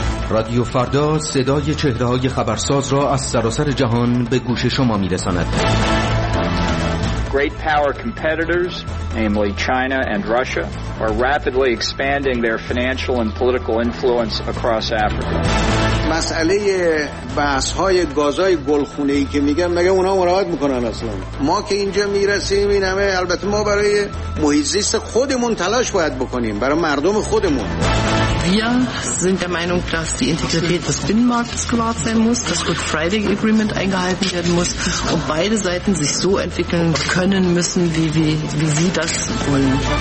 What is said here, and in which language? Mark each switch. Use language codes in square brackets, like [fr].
[fa] رادیو فردا صدای چهره‌های خبرساز را از سراسر جهان به گوش شما می‌رساند. [en] Great power competitors, namely China and Russia, are rapidly expanding their financial and political influence across Africa. [fa] مسئله بحث‌های گازهای گلخونه‌ای که میگن مگه اونا مراقبت میکنن اصلا؟ ما که اینجا میرسیم این همه، البته ما برای محیط زیست خودمون تلاش باید بکنیم، برای مردم خودمون. [de] Wir sind der Meinung, dass die Integrität des Binnenmarktes gewahrt sein muss, das Good Friday Agreement eingehalten werden muss und beide Seiten sich so entwickeln können müssen, wie sie das wollen.